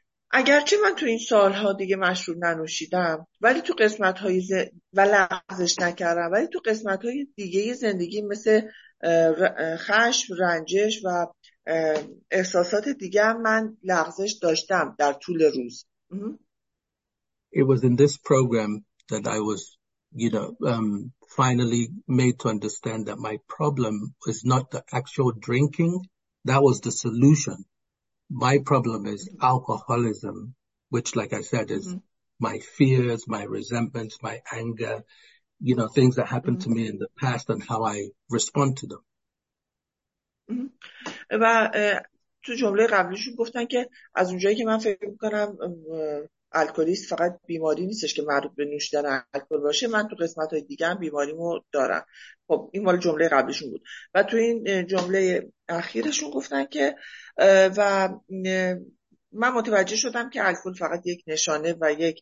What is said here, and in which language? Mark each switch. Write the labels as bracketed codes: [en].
[fa] اگرچه من تو این سالها دیگه مشروب ننوشیدم ولی تو قسمت‌های و لغزش نکردم، ولی تو قسمت‌های دیگه زندگی مثل خشم، رنجش و احساسات دیگه من لغزش داشتم در طول روز. [en] It was in this program that I was, you know, finally made to understand that my problem is not the actual drinking. That was the solution. My problem is alcoholism, which, like I said, is my fears, my resentments, my anger, you know, things that happened to me in the past and how I respond to them. [fa] و تو جمله قبلیشون گفتن که از اونجایی که من فکر میکنم الکلیست فقط بیماری نیستش که مربوط به نوشیدن الکل باشه، من تو قسمت های دیگه هم بیماریمو دارم. خب این مال جمله قبلیشون بود و تو این جمله اخیرشون گفتن که و من متوجه شدم که الکل فقط یک نشانه و